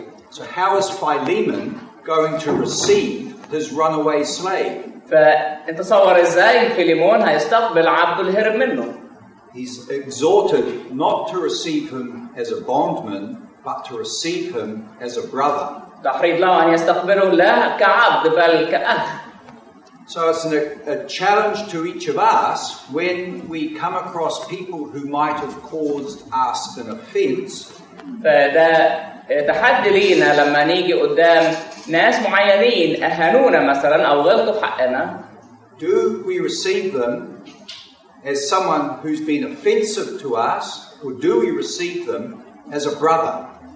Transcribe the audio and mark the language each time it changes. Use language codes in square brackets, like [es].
[en] So how is Philemon going to receive his runaway slave? [ar] فتتصور ازاي فيليمون هيستقبل عبد الهرب منه؟ [en] He's exhorted not to receive him as a bondman, but to receive him as a brother. [ar] تحريض له ان يستقبله لا كعبد بل كأخ. [en] So it's a challenge to each of us when we come across people who might have caused us an offense. [ar] فده تحدي لينا لما نيجي قدام ناس معينين أهانونا مثلا أو غلطوا في حقنا. [en] Do we receive them as someone who's been offensive to us, or do we receive them as a brother?